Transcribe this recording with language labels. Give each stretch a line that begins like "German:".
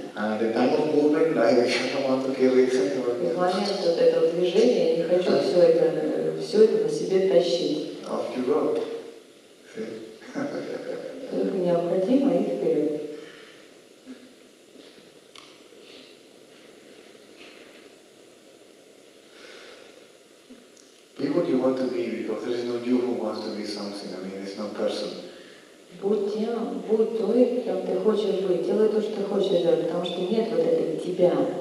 English: And the time of movement, I don't want to carry it.
Russian: И в момент вот этого движения я не хочу все это на себе тащить.
English: Off you go.
Russian: Только необходимо и вперед.
English: Be what you want to be, because there is no you who wants to be something. I mean, it's no person.
Russian: Будь той, кем ты хочешь быть. Делай то, что ты хочешь делать, потому что нет вот этой тебя.